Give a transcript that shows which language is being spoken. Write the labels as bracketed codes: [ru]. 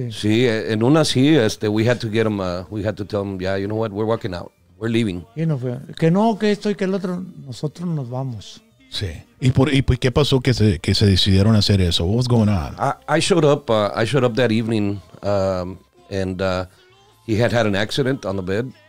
[es] Sí, en una sí, [en] we had to get him, we had to tell him, yeah, you know what, we're walking out. We're leaving. [es] Que esto y que el otro, nosotros nos vamos. Sí. ¿Y qué pasó que se decidieron hacer eso? [en] What was going on? I showed up that evening, he had an accident on the bed.